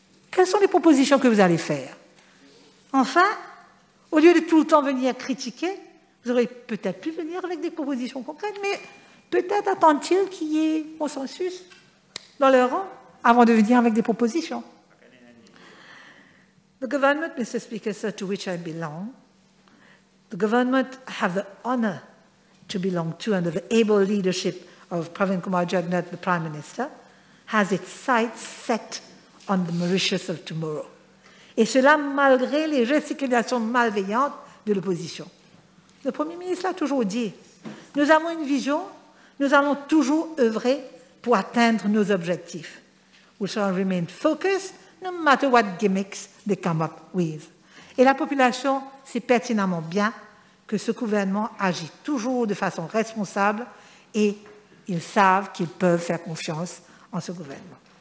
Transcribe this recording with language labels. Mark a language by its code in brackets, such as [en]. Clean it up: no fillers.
[fr] Quelles sont les propositions que vous allez faire? Enfin, au lieu de tout le temps venir critiquer, vous aurez peut-être pu venir avec des propositions concrètes, mais peut-être attendent-ils qu'il y ait consensus dans leur rang avant de venir avec des propositions. [en] The government, Mr. Speaker, sir, to which I belong, the government have the honor to belong to under the able leadership of Pravind Kumar Jagnauth, the Prime Minister, has its sights set on the Mauritius of tomorrow. [fr] Et cela malgré les gesticulations malveillantes de l'opposition. Le Premier ministre l'a toujours dit, nous avons une vision, nous allons toujours œuvrer pour atteindre nos objectifs. [en] We shall remain focused no matter what gimmicks they come up with. [fr] Et la population sait pertinemment bien que ce gouvernement agit toujours de façon responsable et ils savent qu'ils peuvent faire confiance en ce gouvernement.